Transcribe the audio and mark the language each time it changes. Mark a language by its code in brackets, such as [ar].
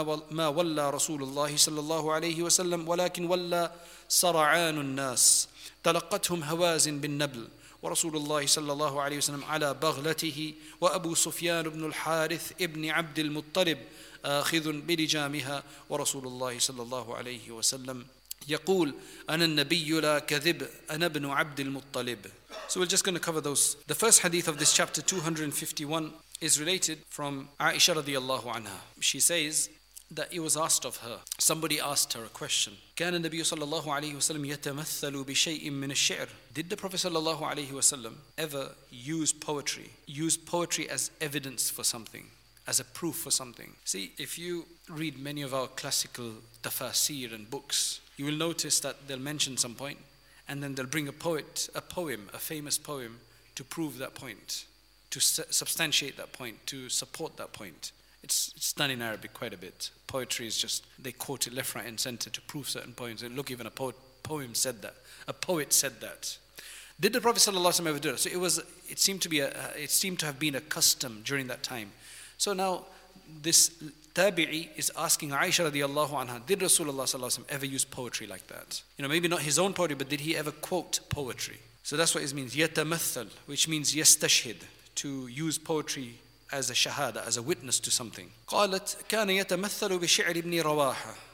[ar] ما ولى رسول الله صلى الله عليه وسلم ولكن ولى سرعان الناس تلقتهم هوازن بالنبل ورسول الله صلى الله عليه وسلم على بغلته وأبو سفيان بن الحارث ابن عبد المطلب آخذ بلجامها ورسول الله صلى الله عليه وسلم يقول أنا النبي لا كذب أنا ابن عبد المطلب. [en] So we're just going to cover those. The first hadith of this chapter 251 is related from Aisha radiallahu anha. She says that it was asked of her. Somebody asked her a question. [ar] كان النبي صلى الله عليه وسلم يتمثل بشيء من الشعر. [en] Did the Prophet صلى الله عليه وسلم ever use poetry? Use poetry as evidence for something, as a proof for something. See, if you read many of our classical tafasir and books, you will notice that they'll mention some point, and then they'll bring a famous poem, to prove that point, to substantiate that point, to support that point. It's done in Arabic quite a bit. Poetry is just, they quote it left, right, and center to prove certain points. And look, even a poet said that. Did the Prophet sallallahu alaihi wasallam ever do that? So it seemed to have been a custom during that time. So now this tabi'i is asking Aisha radiallahu anha, did Rasulullah sallallahu alaihi wasallam ever use poetry like that? You know, maybe not his own poetry, but did he ever quote poetry? So that's what it means, yatamathal, which means yastashhid, to use poetry as a shahada, as a witness to something. [ar] قالت كان يتمثل بشعر ابن رواحة.